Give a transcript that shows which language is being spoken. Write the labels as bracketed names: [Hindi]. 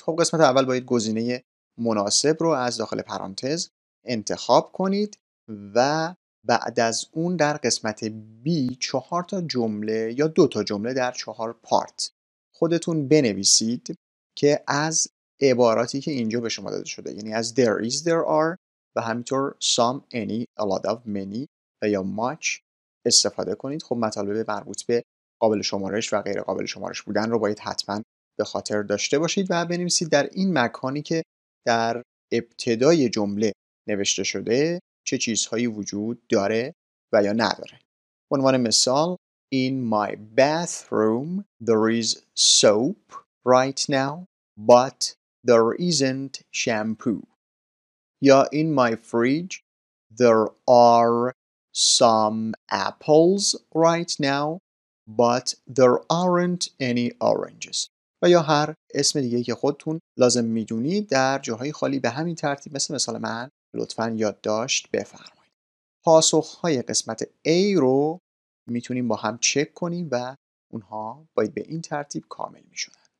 [Persian] خب قسمت اول باید گزینه مناسب رو از داخل پرانتز انتخاب کنید و بعد از اون در قسمت بی 4 تا جمله یا 2 تا جمله در 4 پارت خودتون بنویسید که از عباراتی که اینجا به شما داده شده، یعنی از [English] there is there are [Persian] و همینطور [English] some any a lot of many [Persian] و یا much استفاده کنید. خب مطالب مربوط به قابل شمارش و غیر قابل شمارش بودن رو باید حتما به خاطر داشته باشید و بنویسید در این مکانی که در ابتدای جمله نوشته شده چه چیزهایی وجود داره و یا نداره. عنوان مثال: [English] in my bathroom there is soap right now but there isn't shampoo. [Persian] یا [English] in my fridge there are some apples right now but there aren't any oranges. [Persian] و یا هر اسم دیگه که خودتون لازم میدونید در جاهای خالی به همین ترتیب مثل من لطفاً یادداشت بفرمایید. پاسخهای قسمت A رو میتونیم با هم چک کنیم و اونها باید به این ترتیب کامل میشن.